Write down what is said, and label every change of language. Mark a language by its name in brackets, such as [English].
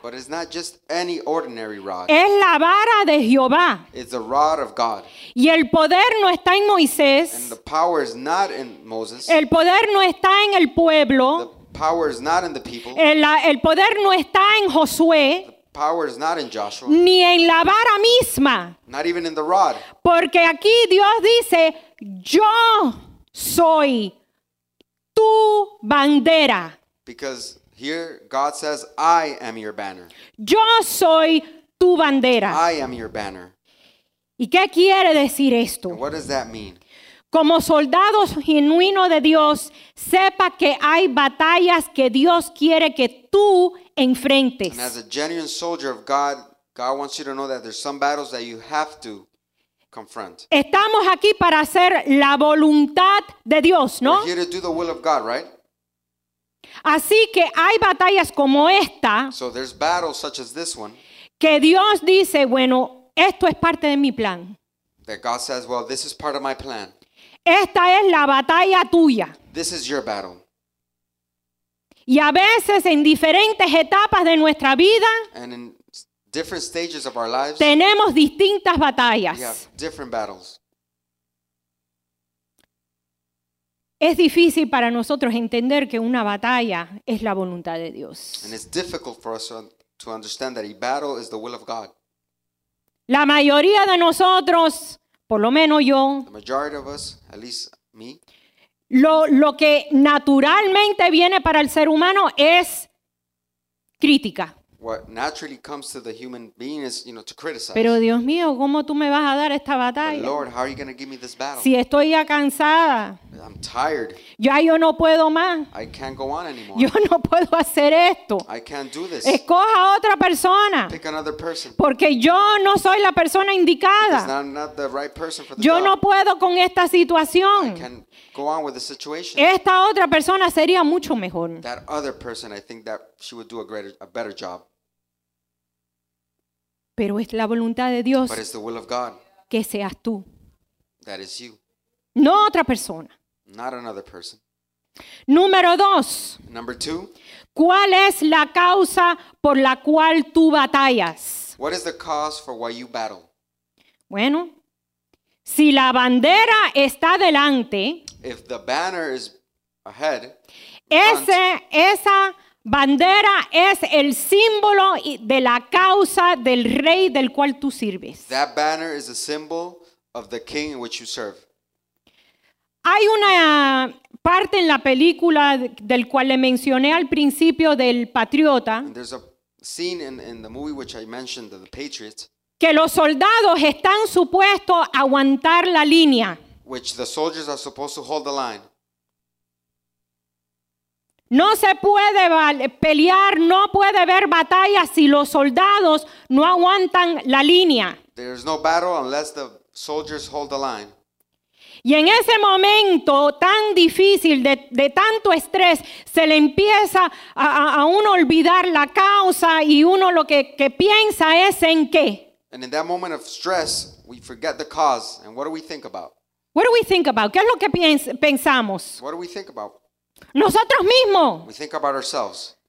[English] But it's not just any ordinary rod. [Spanish] Es la vara de Jehová. [English] It's the rod of God. [Spanish] Y el poder no está en Moisés. [English] And the power is not in Moses. [Spanish] El poder no está en el pueblo. [English] The power is not in the people. [Spanish] El poder no está en Josué. [English] The power is not in Joshua. [Spanish] Ni en la vara misma. [English] Not even in the rod. [Spanish] Porque aquí Dios dice, yo soy tu bandera. [English] Because here God says, I am your banner. [Spanish] Yo soy tu bandera. [English] I am your banner. [Spanish] ¿Y qué quiere decir esto? [English] And what does that mean? [Spanish] Como soldado genuino de Dios, sepa que hay batallas que Dios quiere que tú enfrentes. [English] And as a genuine soldier of God, God wants you to know that there's some battles that you have to confront. [Spanish] Estamos aquí para hacer la voluntad de Dios, ¿no? [English] We're here to do the will of God, right? [Spanish] Así que hay batallas como esta. [English] So there's battles such as this one. [Spanish] Que Dios dice, bueno, esto es parte de mi plan. [English] That God says, well, this is part of my plan. [Spanish] Esta es la batalla tuya. [English] This is your battle. [Spanish] Y a veces en diferentes etapas de nuestra vida, [English] and in different stages of our lives, [Spanish] tenemos distintas batallas. [English] We have different battles. [Spanish] Es difícil para nosotros entender que una batalla es la voluntad de Dios. [English] And it's difficult for us to understand that a battle is the will of God. [Spanish] La mayoría de nosotros, por lo menos yo, [English] the majority of us, at least me, [Spanish] lo que naturalmente viene para el ser humano es crítica. [English] What naturally comes to the human being is, you know, to criticize. [Spanish] Pero Dios mío, ¿cómo tú me vas a dar esta batalla? [English] But Lord, how are you going to give me this battle? [Spanish] Si estoy ya cansada. [English] I'm tired. [Spanish] Ya yo no puedo más. [English] I can't go on anymore. [Spanish] Yo no puedo hacer esto. [English] I can't do this. [Spanish] Escoja otra persona. [English] Pick another person. [Spanish] Porque yo no soy la persona indicada. [English] Because I'm not the right person for the [Spanish] yo [English] job. [Spanish] No puedo con esta situación. [English] I can't go on with the situation. [Spanish] Esta otra persona sería mucho mejor. [English] That other person, I think that she would do a greater, a better job. [Spanish] Pero es la voluntad de Dios. [English] But it's the will of God. [Spanish] Que seas tú. [English] That is you. [Spanish] No otra persona. [English] Not another person. [Spanish] Número dos. [English] Number two. [Spanish] ¿Cuál es la causa por la cual tú batallas? [English] What is the cause for why you battle? [Spanish] Bueno, si la bandera está delante, [English] if the banner is ahead, [Spanish] esa bandera es el símbolo de la causa del rey del cual tú sirves. [English] That banner is a symbol of the king in which you serve. [Spanish] Hay una parte en la película del cual le mencioné al principio del Patriota. [English] And there's a scene in the movie which I mentioned, the Patriot. [Spanish] Que los soldados están supuestos a aguantar la línea. [English] Which the soldiers are supposed to hold the line. [Spanish] No se puede pelear, no puede haber batalla si los soldados no aguantan la línea. [English] There's no battle unless the soldiers hold the line. [Spanish] Y en ese momento tan difícil, de tanto estrés, se le empieza a uno olvidar la causa y uno lo que piensa es en qué. [English] And in that moment of stress, we forget the cause. And what do we think about? What do we think about? [Spanish] ¿Qué es lo que pensamos? [English] What do we think about? [Spanish] Nosotros mismos. [English] We think about ourselves.